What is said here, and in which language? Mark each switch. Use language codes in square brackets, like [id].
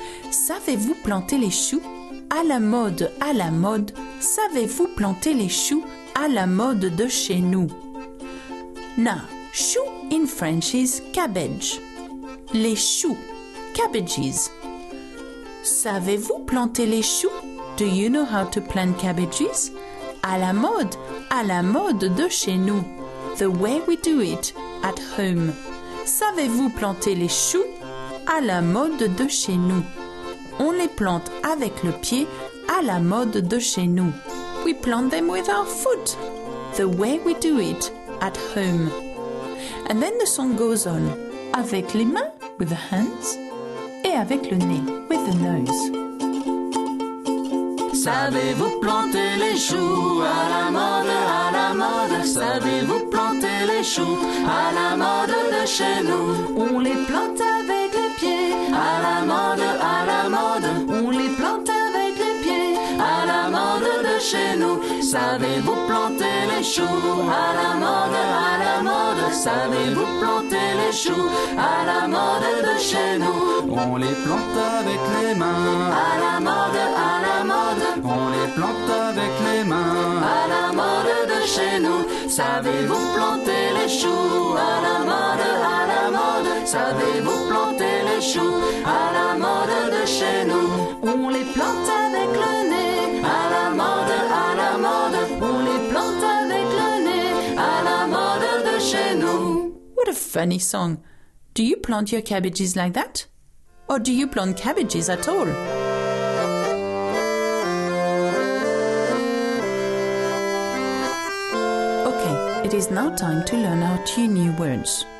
[fr] Savez-vous planter les choux? À la mode, à la mode. Savez-vous planter les choux à la mode de chez nous? [en] Now, choux in French is cabbage. [fr] Les choux, cabbages. Savez-vous planter les choux? [en] Do you know how to plant cabbages? [fr] À la mode de chez nous. [en] The way we do it, at home. [fr] Savez-vous planter les choux? À la mode de chez nous. On les plante avec le pied, à la mode de chez nous. [en] We plant them with our foot. The way we do it, at home. And then the song goes on. [fr] Avec les mains, [en] with the hands. [fr] Et avec le nez, [en] with the nose. [fr] Savez-vous planter les choux à la mode, à la mode? Savez-vous planter les choux à la mode de chez nous? On les plante avec les pieds à la mode, à la mode. On les plante avec les pieds à la mode de chez nous. Savez-vous planter les choux à la mode, à la mode? Savez-vous planter les choux à la mode de chez nous? On les plante avec les mains à la mode, à la mode. On les plante avec les mains à la mode de chez nous. Savez-vous planter les choux à la mode, à la mode? Savez-vous planter les choux à la mode de chez nous? On les plante avec le nez à la mode, à la mode. On les plante avec le nez à la mode de chez nous. [en] What a funny song. Do you plant your cabbages like that? Or do you plant cabbages at all? Okay, it is now time to learn our two new words.